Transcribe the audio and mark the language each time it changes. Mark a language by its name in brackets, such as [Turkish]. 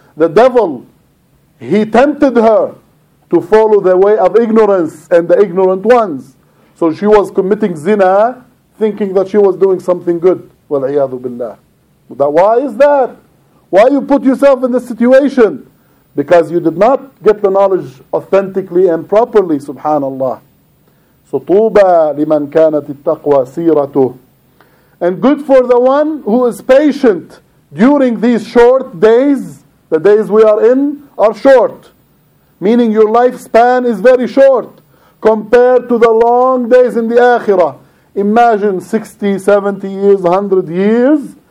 [English] The devil, he tempted her to follow the way of ignorance and the ignorant ones. So she was committing zina, thinking that she was doing something good. Wal'iyadu billah. Why is that? Why you put yourself in this situation? Because you did not get the knowledge authentically and properly, subhanallah. [Arabic] So طوبى لمن كانت التقوى سيرته. [English] And good for the one who is patient during these short days. The days we are in are short, meaning your lifespan is very short compared to the long days in the akhirah. Imagine 60, 70 years, 100 years.